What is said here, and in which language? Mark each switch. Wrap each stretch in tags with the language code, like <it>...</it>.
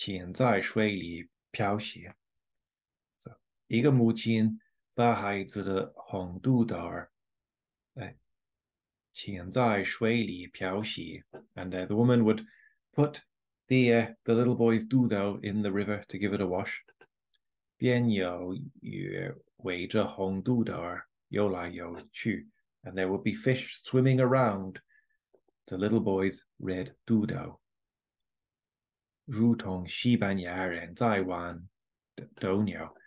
<zh>一个母亲把孩子的红肚兜浸在水里漂洗.</zh> <en>So,</en> <zh>一个母亲把孩子的红肚兜浸在水里漂洗.</zh> <en>And the woman would put the little boy's doudou in the river to give it a wash.</en> <zh>边有鱼围着红肚兜游来游去,</zh> <en>and there would be fish swimming around the little boy's red doudou.</en> <zh>如同西班牙人在玩斗牛,</zh>